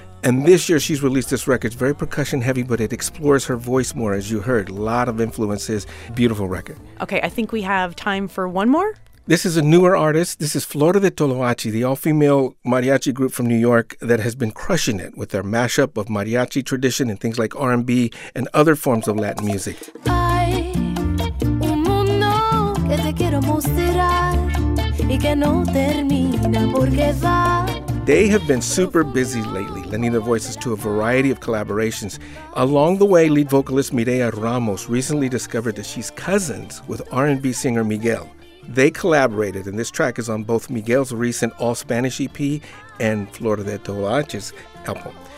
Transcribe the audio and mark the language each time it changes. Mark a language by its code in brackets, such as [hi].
[en] And this year she's released this record. It's very percussion heavy, but it explores her voice more, as you heard. A lot of influences. Beautiful record. Okay, I think we have time for one more. This is a newer artist. This is Flora de Toloache, the all-female mariachi group from New York that has been crushing it with their mashup of mariachi tradition and things like R&B and other forms of Latin music. [es] Ay, un mundo que te quiero mostrar y que no termina porque va. [en] They have been super busy lately, lending their voices to a variety of collaborations. Along the way, lead vocalist Mireia Ramos recently discovered that she's cousins with R&B singer Miguel. They collaborated, and this track is on both Miguel's recent all-Spanish EP and Flor de Toloache's album.